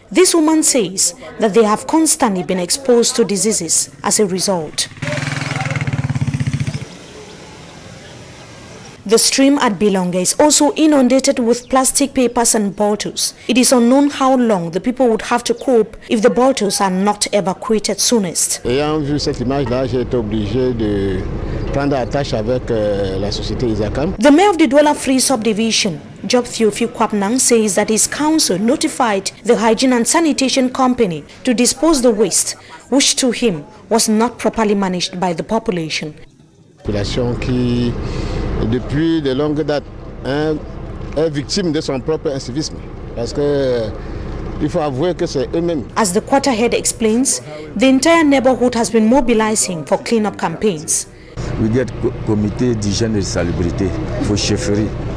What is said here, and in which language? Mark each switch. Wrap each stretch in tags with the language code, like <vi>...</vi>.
<en>This woman says that they have constantly been exposed to diseases as a result. The stream at Bilongue is also inundated with plastic papers and bottles. It is unknown how long the people would have to cope if the bottles are not evacuated soonest.</en> <fr>Ayant vu cette image-là, j'ai été obligé de prendre attache avec la société Isakam.</fr> <en>The mayor of the Douala Free Subdivision, Job Thiofiu Kwapnang, says that his council notified the hygiene and sanitation company to dispose the waste, which to him was not properly managed by the population.</en> <fr>Population qui depuis de longues dates, est victime de son propre incivisme. Parce que il faut avouer que c'est eux-mêmes.</fr> <en>As the quarterhead explains, the entire neighborhood has been mobilizing for cleanup campaigns. We get</en> <fr>comité d'hygiène et de salubrité for chefferie.</fr>